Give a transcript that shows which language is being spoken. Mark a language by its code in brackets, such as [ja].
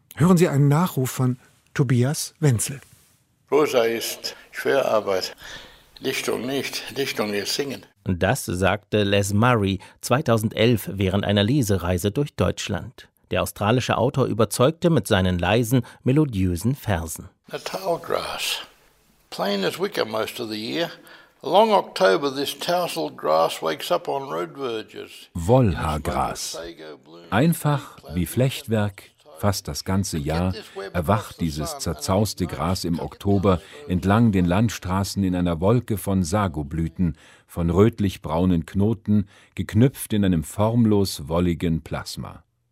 [de] Hören Sie einen Nachruf von Tobias Wenzel. Prosa ist schwere Arbeit. Dichtung nicht, Dichtung ist Singen. Das sagte Les Murray 2011 während einer Lesereise durch Deutschland. Der australische Autor überzeugte mit seinen leisen, melodiösen Versen. [en] A tall grass, plain as wicker most of the year. Along October this tousled grass wakes up on road verges. [de] Wollhaargras, einfach wie Flechtwerk, fast das ganze Jahr, erwacht dieses zerzauste Gras im Oktober entlang den Landstraßen in einer Wolke von Sagoblüten, von rötlich-braunen Knoten, geknüpft in einem formlos wolligen Plasma.